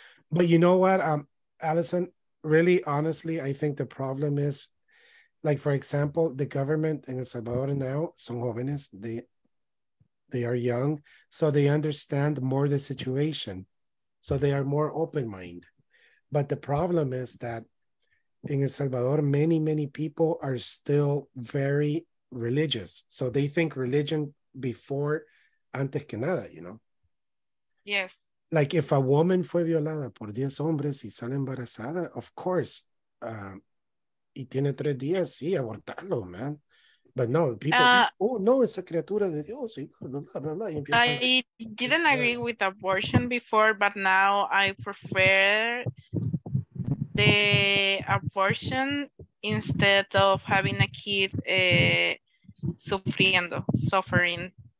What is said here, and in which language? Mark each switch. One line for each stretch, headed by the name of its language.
English: But you know what, Allison, really, honestly, I think the problem is, like, for example, the government in El Salvador now,
Spanish: son jóvenes,
English: they are young, so they understand more the situation. So they are more open-minded. But the problem is that in El Salvador, many, many people are still very religious. So they think religion before,
Spanish: antes que nada,
English: you know? Yes. Like if a woman
Spanish: fue violada por 10 hombres y sale embarazada,
English: of course,
Spanish: y tiene tres días, sí, abortarlo, man.
English: But no, people, it's a
Spanish: criatura de Dios.
English: Blah, blah, blah, I didn't agree with abortion before, but now I prefer the abortion instead of having a kid suffering.